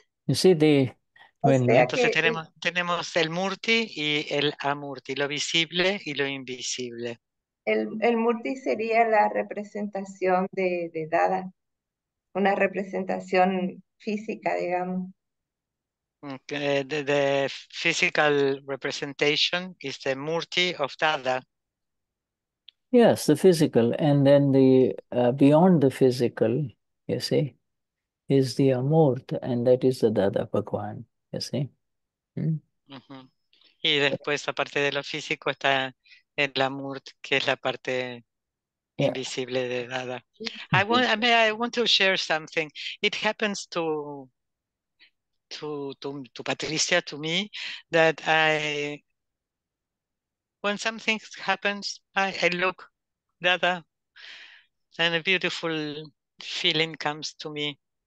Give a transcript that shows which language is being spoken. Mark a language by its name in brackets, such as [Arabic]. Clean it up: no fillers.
[Spanish] Sí, de... Entonces tenemos el murti y el amurti, lo visible y lo invisible. El murti sería la representación de Dada, una representación física, digamos. [English] The physical representation is the murti of Dada. Yes, the physical, and then the beyond the physical, you see, is the amurt, and that is the Dada Bhagwan, you see. [Spanish] Y después, aparte de lo físico, está el amurt, que es la parte invisible de Dada. [English] I want to share something. It happens to Patricia, to me, that when something happens, I look Dada, and a beautiful feeling comes to me.